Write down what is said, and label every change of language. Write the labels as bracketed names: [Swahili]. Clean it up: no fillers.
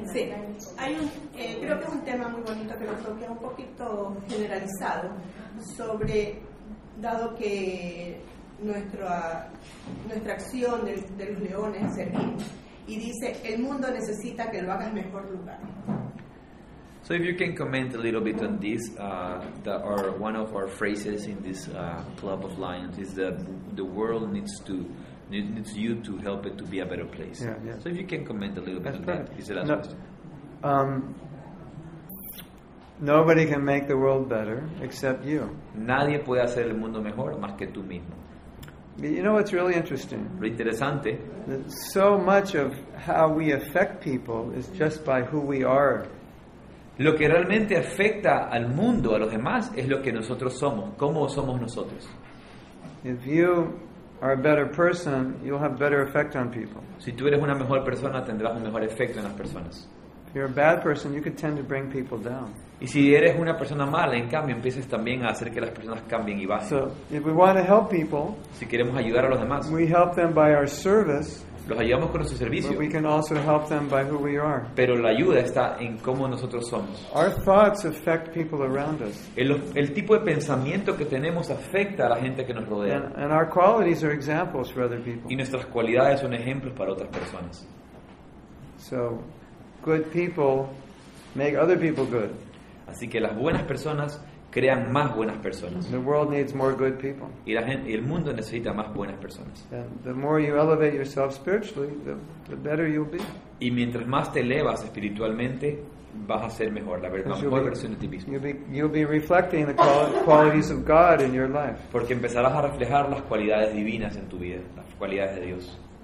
[Spanish] Sí, creo que es un tema muy bonito que lo toque un poquito generalizado sobre, dado que nuestra acción de los leones es servir, y dice, el mundo necesita que lo hagas mejor lugar. [English] So if you can comment a little bit on this, that our one of our phrases in this Club of Lions is that the world needs you to help it to be a better place. Yeah, yeah. So if you can comment a little bit That's on right. that, is it no, nobody can make the world better except you. [Spanish] Nadie puede hacer el mundo mejor más que tú mismo. [English] You know what's really interesting? [Spanish] Lo interesante. [English] That so much of how we affect people is just by who we are. [Spanish] Lo que realmente afecta al mundo, a los demás, es lo que nosotros somos, cómo somos nosotros. [English] If you are a better person, you'll have better effect on people. [Spanish] Si tú eres una mejor persona, tendrás un mejor efecto en las personas. [English] If you're a bad person, you could tend to bring people down. [Spanish] Y si eres una persona mala, en cambio, empiezas también a hacer que las personas cambien y bajen. [English] So, if we want to help people, [Spanish] si queremos ayudar a los demás, [English] we help them by our service, [Spanish] Los ayudamos con nuestro servicio. [English] But we can also help them by who we are. [Spanish] Pero la ayuda está en cómo nosotros somos. [English] Our thoughts affect people around us. [Spanish] El tipo de pensamiento que tenemos afecta a la gente que nos rodea. [English] And our qualities are examples for other people. [Spanish] Y nuestras cualidades son ejemplos para otras personas. [English] So, good people make other people good. [Spanish] Así que las buenas personas crean más buenas personas. [English] The world needs more good people. [Spanish] Y el mundo necesita más buenas personas. [English] And the more you elevate yourself spiritually, the better you'll be. [Spanish] Y mientras más te elevas espiritualmente, vas a ser mejor, la verdad, mejor versión de ti mismo. [English] You'll be reflecting the qualities of God in your life. [Spanish] Porque empezarás a reflejar las cualidades divinas en tu vida, las cualidades de Dios.